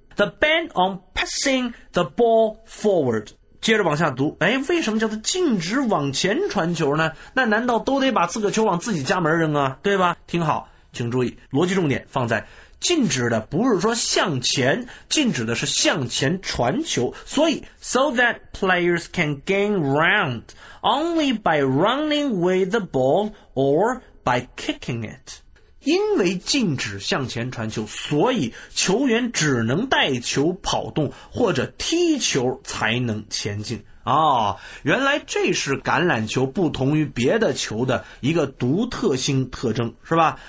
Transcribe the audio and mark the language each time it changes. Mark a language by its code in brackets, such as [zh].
[en] The ban on passing the ball forward。 [zh] 接着往下读，哎，为什么叫做禁止往前传球呢？那难道都得把自个球往自己家门扔啊？对吧？听好，请注意，逻辑重点放在。禁止的不是说向前，禁止的是向前传球。所以 [en] ，so that players can gain ground only by running with the ball or by kicking it. [zh] 因为禁止向前传球，所以球员只能带球跑动或者踢球才能前进。哦，原来这是橄榄球不同于别的球的一个独特性特征，是吧？